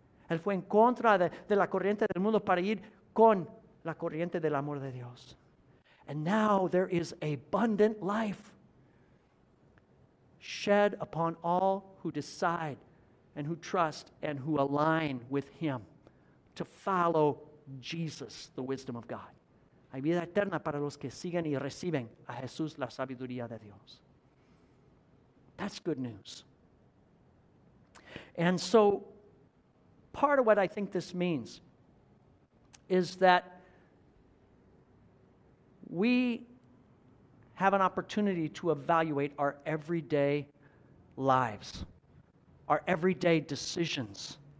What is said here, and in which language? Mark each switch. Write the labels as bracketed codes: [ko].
[es] Él fue en contra de la corriente del mundo para ir con la corriente del amor de Dios. [en] And now there is abundant life. shed upon all who decide and who trust and who align with Him to follow Jesus, the wisdom of God. [es] Hay vida eterna para los que siguen y reciben a Jesús, la sabiduría de Dios. [en] That's good news. And so, part of what I think this means is that we have an opportunity to evaluate our everyday lives, our everyday decisions.